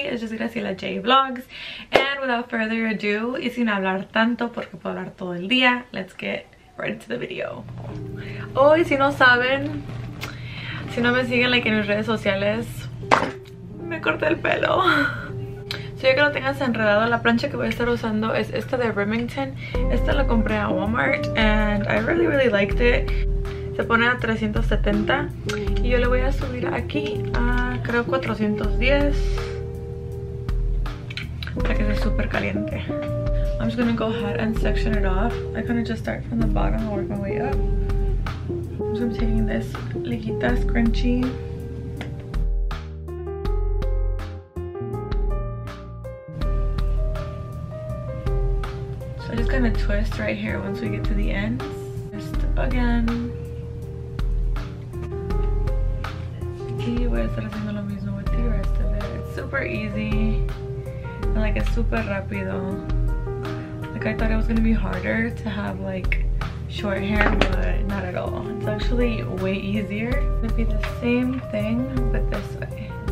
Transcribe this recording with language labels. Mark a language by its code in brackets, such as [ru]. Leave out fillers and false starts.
[en] Es just Graciela J Vlogs. And without further ado, [es] y sin hablar tanto porque puedo hablar todo el día, [en] let's get right into the video. [es] Hoy, si no saben, si no me siguen like en mis redes sociales, me corté el pelo. Si ya que lo tengas enredado, la plancha que voy a estar usando es esta de Remington. Esta la compré a Walmart [en] and I really, really liked it. [es] Se pone a 370 y yo le voy a subir aquí a creo 410 para que sea súper caliente. [en] I'm just gonna go ahead and section it off. I kind of just start from the bottom and work my way up. So I'm taking this liguita scrunchie. So I'm just gonna twist right here once we get to the ends. Twist again. [es] Voy a estar haciendo lo mismo con el resto de él. [en] It's super easy. And like it's super rápido. Like I thought it was gonna be harder to have like short hair, but not at all. It's actually way easier. It'd be the same thing, but this way.